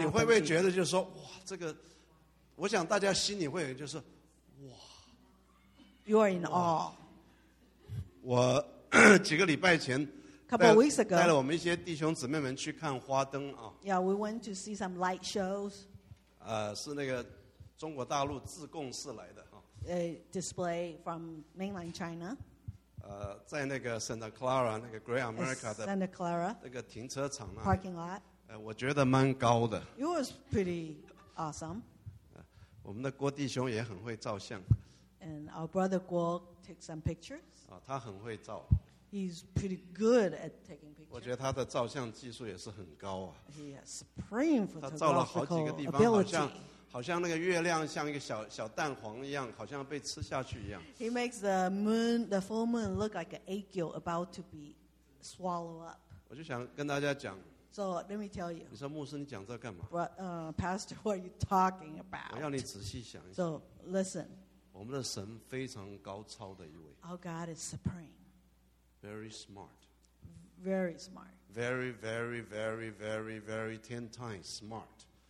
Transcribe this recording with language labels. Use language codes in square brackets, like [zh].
[zh] 你会不会觉得就是说，哇，这个，我想大家心里会有就是，哇。 [en] You are in awe. [zh] 我几个礼拜前， [en] couple of weeks ago, [zh] 带了我们一些弟兄姊妹们去看花灯啊。 [en] Yeah, we went to see some light shows. [zh] 是那个中国大陆自贡市来的。 [en] A display from mainland China. [zh] 在那个 Santa Clara 那个 Great America 的 [en] Santa Clara [zh] 那个停车场啊 [en] parking lot. [zh] 我觉得蛮高的。 [en] It was pretty awesome. [zh] 我们的郭弟兄也很会照相。 [en] And our brother Guo takes some pictures. [zh] 他很会照。 [en] He's pretty good at taking pictures. [zh] 我觉得他的照相技术也是很高啊。 [en] He has supreme photographical ability. [zh] 好像那个月亮像一个小蛋黄一样，好像被吃下去一样。 [en] He makes the moon, the full moon, look like an egg yolk about to be swallowed up. [zh] 我就想跟大家讲。 [en] So let me tell you. [zh] 你说牧师，你讲这干嘛？ [en] Pastor, what are you talking about? [zh] 我要你仔细想一想。 [en] So listen. [zh] 我们的神非常高超的一位。 [en] Our God is supreme. Very smart. Very smart. Very, very, very, very, very 10 times smart.